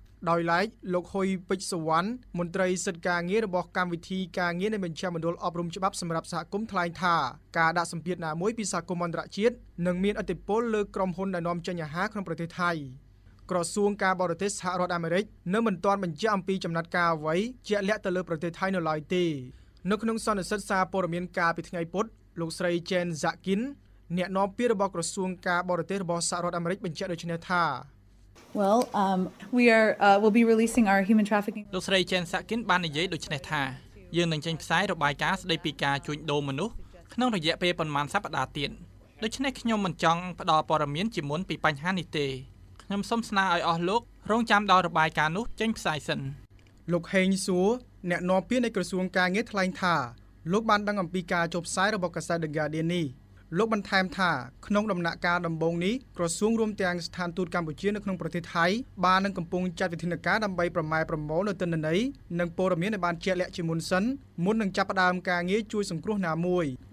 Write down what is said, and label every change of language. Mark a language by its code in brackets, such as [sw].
[km] ដោយឡែកលោកហ៊ុយពេជ្រសុវណ្ណមន្ត្រីសិទ្ធិការងាររបស់កម្មវិធីការងារនៃមជ្ឈមណ្ឌលអប់រំច្បាប់សម្រាប់សហគមន៍ថ្លែងថាការដាក់សម្ពាធណាមួយពីសហគមន៍អន្តរជាតិនឹងមានឥទ្ធិពលលើក្រុមហ៊ុនដែលនាំចិញ្ចឹមអាហារក្នុងប្រទេសថៃក្រសួងការបរទេសសហរដ្ឋអាមេរិកនៅមិនទាន់បញ្ជាក់អំពីចំណាត់ការអ្វីជាក់លាក់ទៅលើប្រទេសថៃនៅឡើយទេនៅក្នុងសន្និសីទសារព័ត៌មានកាលពីថ្ងៃពុធលោកស្រីចេនហ្សាក់គីនអ្នកនាំពាក្យរបស់ក្រសួងការបរទេសរបស់សហរដ្ឋអាមេរិកបញ្ជាក់ដូចនេះថា [en] Well we'll be releasing our human trafficking [km] លោកស្រីចេនហ្សាក់គីនបាននិយាយដូចនេះថាយើងនឹងចេញផ្សាយរបាយការណ៍ស្តីពីការជួញដូរមនុស្សក្នុងរយៈពេលប្រហែលសប្តាហ៍ទៀតដូច្នេះខ្ញុំមិនចង់ផ្ដល់ព័ត៌មានជាមុនពីបញ្ហានេះទេខ្ញុំសូមស្នើឲ្យអស់លោករងចាំដល់របាយការណ៍នោះចេញផ្សាយសិន លោកហេងសួរអ្នកនាំពាក្យនៃក្រសួងការងារថ្លែងថាលោកបានដឹងអំពីការចុះផ្សាយរបស់កាសែត The Guardian នេះលោកបន្ថែមថាក្នុងដំណាក់កាលដំបូងនេះក្រសួងរួមទាំងស្ថានទូតកម្ពុជានៅក្នុងប្រទេសថៃបាននឹងកំពុងចាត់វិធានការដើម្បីប្រមែប្រមូលនៅទិន្នន័យនិងព័ត៌មានឲ្យបានជាក់លាក់ជាមុនសិនមុននឹងចាប់ផ្ដើមការងារជួយសង្គ្រោះណាមួយ